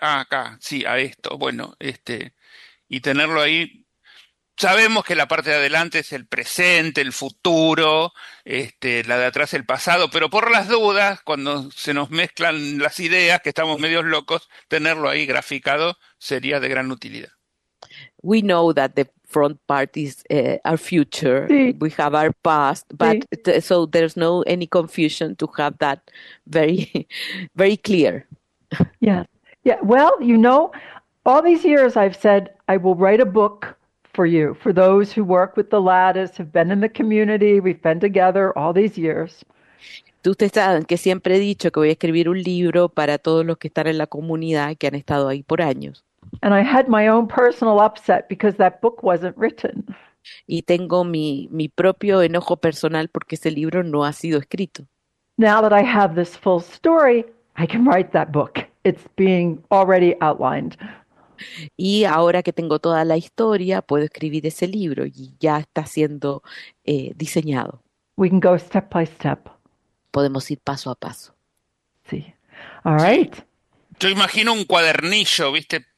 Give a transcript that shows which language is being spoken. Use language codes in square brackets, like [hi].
[es] Ah, acá, sí, a esto. Bueno, y tenerlo ahí. Sabemos que la parte de adelante es el presente, el futuro, la de atrás el pasado, pero por las dudas, cuando se nos mezclan las ideas, que estamos medios locos, tenerlo ahí graficado sería de gran utilidad. [en] We know that the front part is our future. [es] Sí. [en] We have our past, but so there's no any confusion to have that very, very clear. Yeah. Well, you know, all these years I've said I will write a book for you, for those who work with the lattice, have been in the community, we've been together all these years. [es] Ustedes saben que siempre he dicho que voy a escribir un libro para todos los que están en la comunidad que han estado ahí por años. [en] And I had my own personal upset because that book wasn't written. [es] Y tengo mi propio enojo personal porque ese libro no ha sido escrito. [en] Now that I have this full story, I can write that book. It's being already outlined. [es] Y ahora que tengo toda la historia, puedo escribir ese libro y ya está siendo diseñado. [en] We can go step by step. [es] Podemos ir paso a paso. [en] Sí. All right. [es] Yo imagino un cuadernillo, ¿viste?